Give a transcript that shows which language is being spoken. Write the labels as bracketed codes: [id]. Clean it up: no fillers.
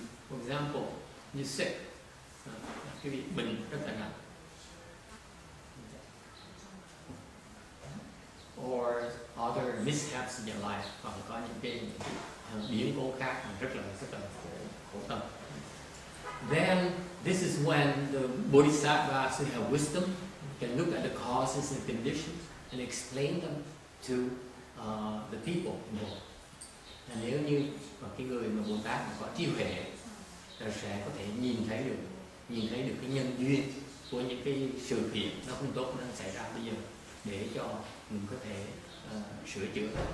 [en] For example, you sick, [vi] quý vị bệnh rất là nặng. [en] Or other mishaps in your life, [vi] hoặc là có những cái biến cố khác rất là khổ tâm. [en] Then this is when the bodhisattvas who have wisdom can look at the causes and conditions and explain them to the people involved. [vi] And nếu như cái người mà Bồ Tát mà có trí huệ là sẽ có thể nhìn thấy được cái nhân duyên của những cái sự kiện nó không tốt nó xảy ra bây giờ để cho mình có thể sửa chữa.